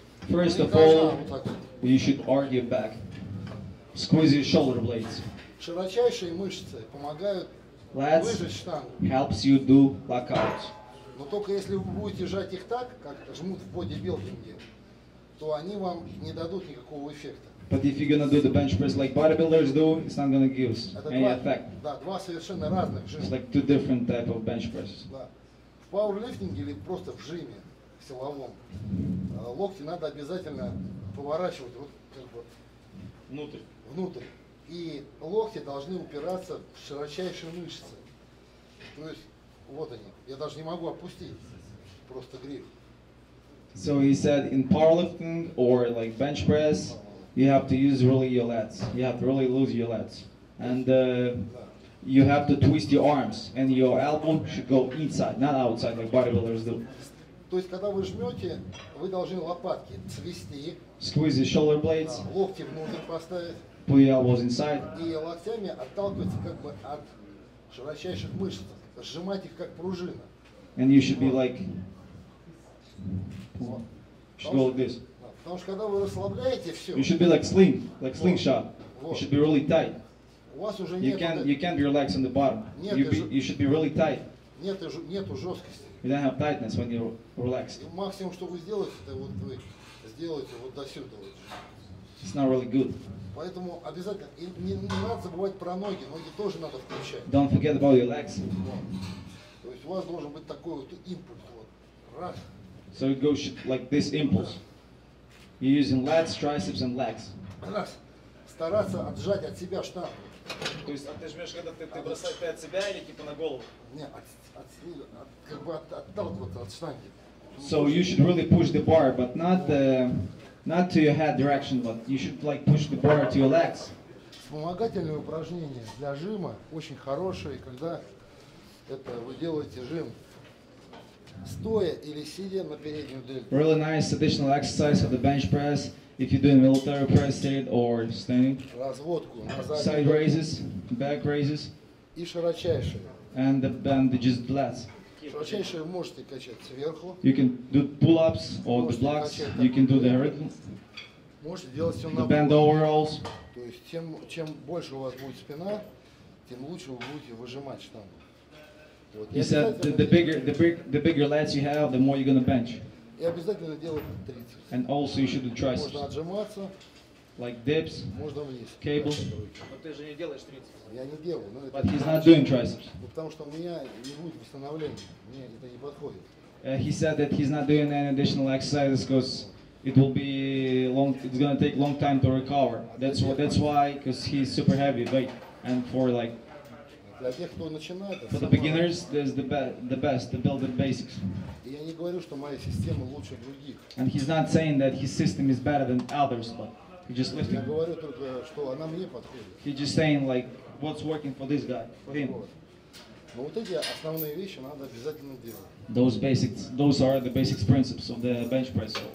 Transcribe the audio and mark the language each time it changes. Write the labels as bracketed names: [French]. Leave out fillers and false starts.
[English] First of all, you should arch your back. Squeeze your shoulder blades. [Russian] Широчайшие мышцы помогают выжать штангу. [English] Helps you do lockouts. [Russian] Но только если вы будете жать их так, как жмут в бодибилдинге, то они вам не дадут никакого эффекта. [English] But if you're gonna do the bench press like bodybuilders do, it's not gonna give any effect. [Russian] Да, два совершенно разных жима. [English] It's like two different type of bench presses. [Russian] Да. В пауэрлифтинге или просто в жиме силовом локти надо обязательно поворачивать вот как бы внутрь. И локти должны упираться в широчайшие мышцы. То есть вот они. Я даже не могу опустить просто гриф. [English] So he said in powerlifting or like bench press, you have to use really your lats. You have to really lose your lats. And you have to twist your arms, and your elbow should go inside, not outside like bodybuilders do. [Russian] То есть когда вы жмете, вы должны лопатки свести. [English] Squeeze your shoulder blades. [Russian] Локти внутрь поставить. [English] Put your elbows inside. [Russian] И локтями отталкиваться как бы от широчайших мышц, сжимать их как пружина. [English] And you should be like, should go like this. [Russian] Потому что когда вы расслабляете все. [English] You should be like slingshot. You should be really tight. You can't relax on the bottom. You should be really tight. [Russian] Нету жесткости. [English] You don't have tightness when you're relaxed. [Russian] Максимум, что вы сделаете, это вот вы сделаете вот до сюда. [English] It's not really good. [Russian] Поэтому обязательно не надо забывать про ноги. Ноги тоже надо включать. [English] Don't forget about your legs. [Russian] То есть у вас должен быть такой вот импульс. Вот. Раз. [English] So it goes like this impulse. You're using lats, triceps and legs. [Russian] Раз. Стараться отжать от себя штангу. То есть, а ты жмешь, когда ты бросаешь ты от себя или типа на голову? Не, отталкиваться от штанги. [English] So you should really push the bar, but not to your head direction, but you should like push the bar to your legs. [Russian] Вспомогательные упражнения для жима очень хорошие, когда это вы делаете жим стоя или сидя на переднем дельте. [English] Really nice additional exercise of the bench press. If you're doing military press state or standing, [Russian] разводку, [English] side raises, back raises, [Russian] и широчайшие. [English] And the bandage is blessed. [Russian] Широчайшие можете качать сверху. [English] You can do pull-ups or the blocks. You can do the everything. [Russian] Можете делать все на [English] пол. Bend overalls. [Russian] То есть тем чем больше у вас будет спина, тем лучше вы будете выжимать штангу. [English] He said the bigger lats you have, the more you're gonna bench. [Russian] И обязательно делать 30. [English] And also you should do triceps. [Russian] Можно отжиматься. [English] Like dips. [Russian] Можно вниз. [English] Cable. [Russian] Но ты же не делаешь 30. Я не делаю, но [English] это. But he's not doing triceps. [Russian] Потому что у меня не будет восстановления, мне это не подходит. [English] He said that he's not doing any additional exercises because it will be long. It's gonna take long time to recover. That's why, because he's super heavy weight and for like. [Russian] Для тех, кто начинает. [English] For the beginners, there's the best to build the basics. [Russian] Я не говорю, что моя система лучше других. [English] And he's not saying that his system is better than others, but he's just lifting. [Russian] Я говорю только, что она мне подходит. [English] He's just saying like what's working for this guy, for him. [Russian] Но вот эти основные вещи надо обязательно делать. [English] Those are the basic principles of the bench press.